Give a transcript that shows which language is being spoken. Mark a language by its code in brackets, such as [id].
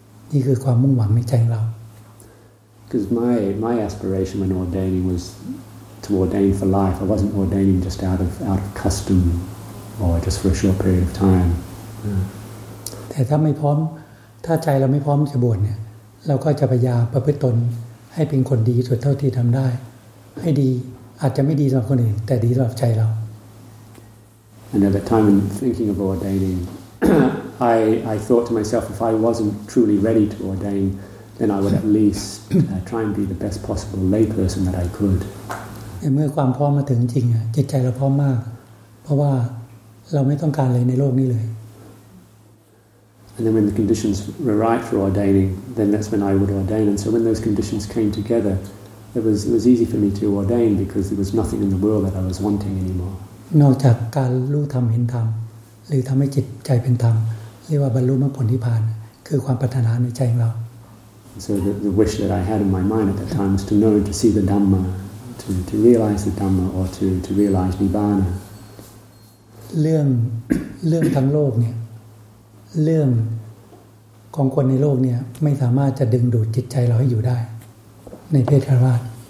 [en] This is our desire in our heart. Because my aspiration when ordaining was. To ordain for life, I wasn't ordaining just out of custom or just for a short period of time. [th] แต่ถ้าไม่พร้อมถ้าใจเราไม่พร้อมจะบวชเนี่ยเราก็จะพยายามประพฤติตนให้เป็นคนดีสุดเท่าที่ทำได้ให้ดีอาจจะไม่ดีสำหรับคนอื่นแต่ดีสำหรับใจเรา [en] And at that time, in thinking of ordaining, I thought to myself, if I wasn't truly ready to ordain, then I would at least try and be the best possible layperson that I could. [th] เมื่อความพร้อมมาถึงจริงอ่ะจิตใจเราพร้อมมากเพราะว่าเราไม่ต้องการอะไรในโลกนี้เลย [en] And then when the conditions were right for ordaining then that's when I would ordain and so when those conditions came together it was easy for me to ordain because there was nothing in the world that I was wanting anymore [th] นอกจากการรู้ธรรมเห็นธรรมหรือทำให้จิตใจเป็นธรรมเรียกว่าบรรลุมรรคผลนิพพานคือความปรารถนาในใจของเรา [en] So the wish that I had in my mind at that time was to know to see the DhammaTo realize the Dhamma or to realize Nibbana. [th] เรื่องทั้งโลกเนี่ยเรื่องของคนในโลกเนี่ยไม่สามารถจะดึงดูดจิตใจเราให้อยู่ได้ในเพศฆราวาส